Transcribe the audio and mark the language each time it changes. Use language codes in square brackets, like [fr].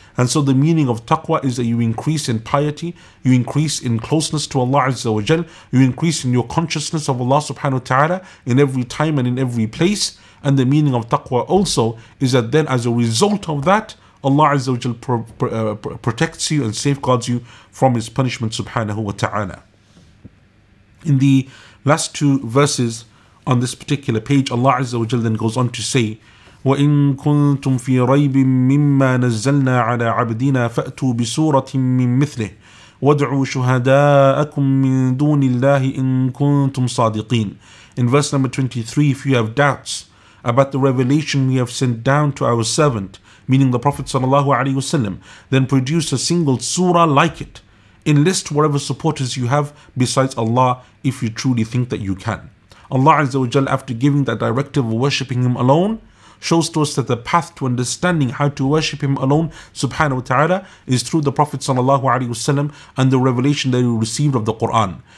[en] And so the meaning of taqwa is that you increase in piety, you increase in closeness to Allah Azza wa Jal, you increase in your consciousness of Allah subhanahu wa ta'ala in every time and in every place. And the meaning of taqwa also is that then as a result of that, Allah Azza wa Jal protects you and safeguards you from His punishment subhanahu wa ta'ala. In the last two verses on this particular page, Allah Azza wa Jal then goes on to say, [ar] وَإِن كُنْتُمْ فِي رَيْبٍ مِّمَّا نَزَّلْنَا عَلَىٰ عَبْدِنَا فَأْتُوا بِسُورَةٍ مِّن مِثْلِهِ وَادْعُوا شُهَدَاءَكُمْ مِّن دُونِ اللَّهِ إِن كُنْتُمْ صَادِقِينَ. [en] In verse number 23, if you have doubts about the revelation we have sent down to our servant, meaning the Prophet sallallahu alayhi wasallam, then produce a single surah like it. Enlist whatever supporters you have besides Allah if you truly think that you can. Allah Azza wa Jalla, after giving that directive of worshipping Him alone, shows to us that the path to understanding how to worship Him alone, subhanahu wa ta'ala, is through the Prophet sallallahu alayhi wasallam and the revelation that he received of the Qur'an.